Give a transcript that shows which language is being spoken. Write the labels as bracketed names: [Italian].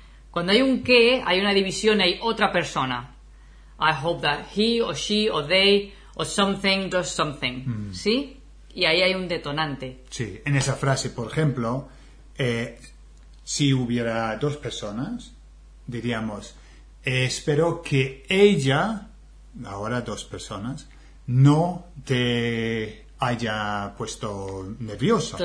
[Spanish] Cuando hay un qué, hay una división, hay otra persona. [English] I hope that he or she or they or something does something. [Spanish] Mm. ¿Sí? Y ahí hay un detonante. Sí. En esa frase, por ejemplo, si hubiera dos personas, diríamos, espero que ella, ahora dos personas, no te haya puesto nerviosa.